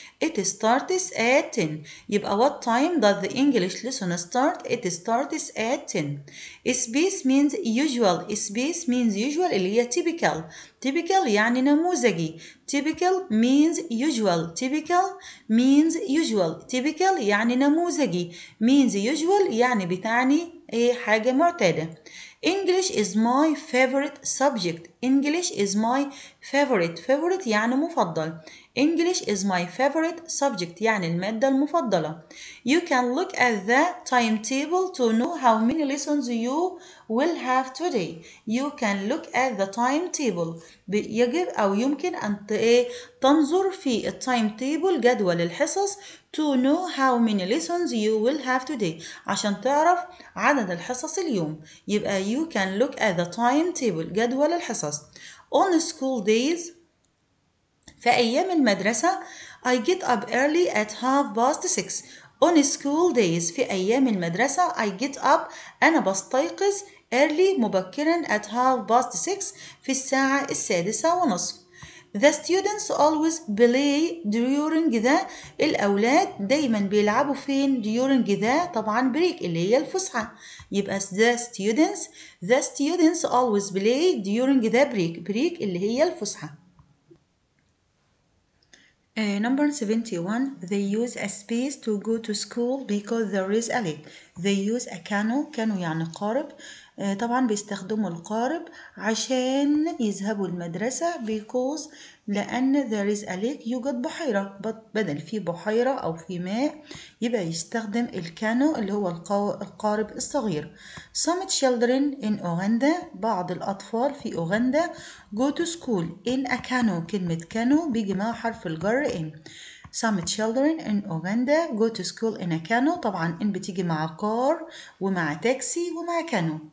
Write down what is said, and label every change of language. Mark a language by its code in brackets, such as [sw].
[en] It starts at 10. يبقى what time does the English lesson start? It starts at 10. Space means usual. Space means usual اللي هي typical. [ar] Typical يعني نموذجي. [en] Typical means usual. Typical means usual. [ar] Typical يعني نموذجي. [en] Means usual [ar] يعني بتعني ايه حاجة معتادة. [en] English is my favorite subject. English is my favorite. [ar] Favorite يعني مفضل. [en] English is my favorite subject [ar] يعني المادة المفضلة. [en] You can look at the timetable to know how many lessons you will have today. You can look at the timetable. [ar] يجب أو يمكن أن تنظر في timetable جدول الحصص [en] to know how many lessons you will have today [ar] عشان تعرف عدد الحصص اليوم. [en] يبقى you can look at the timetable [ar] جدول الحصص. [en] On school days [ar] في أيام المدرسة [en] I get up early at half past six. On school days [ar] في أيام المدرسة [en] I get up [ar] أنا بستيقظ [en] early مبكرا at half past six [ar] في الساعة السادسة ونصف. [en] The students always play during the [ar] الأولاد دايما بيلعبوا فين [en] during the طبعا break [ar] اللي هي الفسحة. [en] يبقى the students always play during the break. [ar] Break اللي هي الفسحة. [en] Number 71. They use a space to go to school because there is a lake. They use a canoe. [ar] Canoe يعني قارب. طبعا بيستخدموا القارب عشان يذهبوا المدرسة because لأن [en] there is a lake [ar] يوجد بحيرة. بدل في بحيرة أو في ماء يبقى يستخدم الكانو اللي هو القارب الصغير. [en] Some children in Uganda [ar] بعض الأطفال في أوغندا [en] go to school in a canoe. [ar] كلمة كانو بيجي مع حرف الجر in. [en] Some children in Uganda go to school in a canoe. [ar] طبعا إن بتيجي مع car ومع taxi ومع canoe.